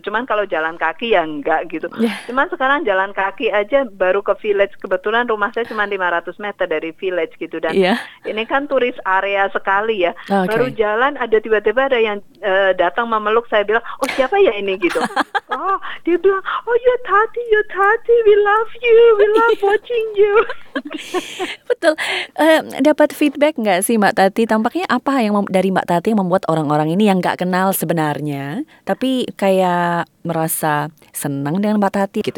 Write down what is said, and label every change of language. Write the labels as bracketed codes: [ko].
[id] Cuman kalau jalan kaki ya enggak gitu. Cuman sekarang jalan kaki aja baru ke village. Kebetulan rumah saya cuma 500 meter dari village gitu, dan ini kan turis area sekali ya. [en] Okay. [id] Baru jalan ada tiba-tiba ada yang datang memeluk saya, bilang oh siapa ya ini gitu. [en] Oh [id] dia bilang [en] oh you're Tati, we love watching you. [id] Betul. Dapat feedback nggak sih Mbak Tati? Tampaknya apa yang dari Mbak Tati yang membuat orang-orang ini yang nggak kenal sebenarnya, tapi kayak merasa senang dengan Mbak Tati gitu?